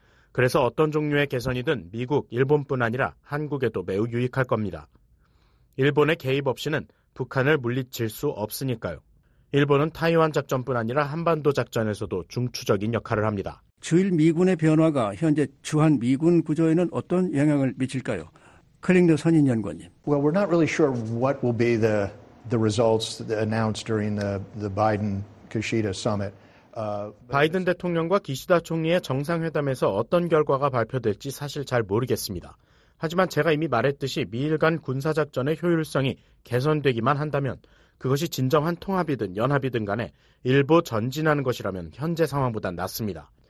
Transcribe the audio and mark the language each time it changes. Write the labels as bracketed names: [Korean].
[Korean] 그래서 어떤 종류의 개선이든 미국, 일본뿐 아니라 한국에도 매우 유익할 겁니다. 일본의 개입 없이는 북한을 물리칠 수 없으니까요. 일본은 타이완 작전뿐 아니라 한반도 작전에서도 중추적인 역할을 합니다. 주일 미군의 변화가 현재 주한 미군 구조에는 어떤 영향을 미칠까요? 클링더 선임 연구원님. [English] Well, we're not really sure what will be the results announced during the Biden-Kishida summit. [Korean] 바이든 대통령과 기시다 총리의 정상회담에서 어떤 결과가 발표될지 사실 잘 모르겠습니다. 하지만 제가 이미 말했듯이 미일간 군사작전의 효율성이 개선되기만 한다면 그것이 진정한 통합이든 연합이든 간에 일부 전진하는 것이라면 현재 상황보다 낫습니다.